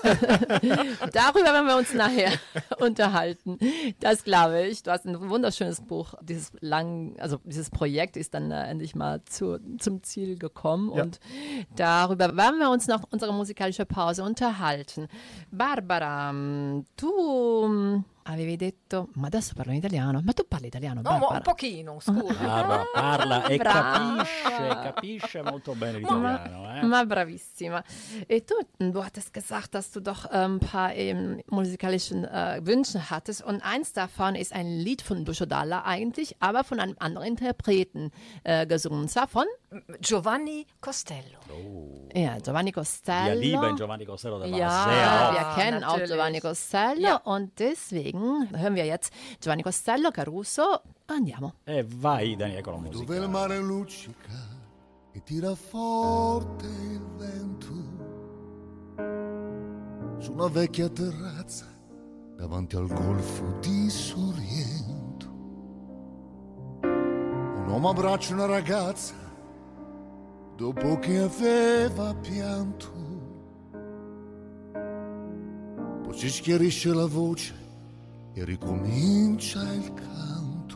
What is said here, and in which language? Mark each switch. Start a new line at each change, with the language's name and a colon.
German: Darüber werden wir uns nachher unterhalten. Das glaube ich. Du hast ein wunderschönes Buch. Dieses Projekt ist dann endlich mal zum Ziel gekommen. Ja. Und darüber werden wir uns nach unserer musikalischen Pause unterhalten.
Italian: Barbara, tu avevi detto, ma adesso parlo in italiano, ma tu parli italiano, no, Barbara? No, un pochino, scusa. Barbara parla e capisce molto bene l'italiano. Ma bravissima. E tu,
German: du hattest gesagt, dass du doch ein paar musikalischen Wünsche hattest und eins davon ist ein Lied von Duccio Dalla eigentlich, aber von einem anderen Interpreten gesungen, und zwar von? Giovanni Costello. Oh. Ja, Giovanni Costello. Wir lieben Giovanni Costello, der ja, war sehr wir auch. Kennen natürlich. Auch Giovanni Costello ja. Und deswegen hören wir jetzt Giovanni Costello, Caruso, andiamo.
Italian: E vai, Daniele, con la musica. Dove il mare luccica e tira forte il vento su una vecchia terrazza davanti al golfo di Sorrento. Un uomo abbraccia una ragazza dopo che aveva pianto, poi si schiarisce la voce e ricomincia il canto.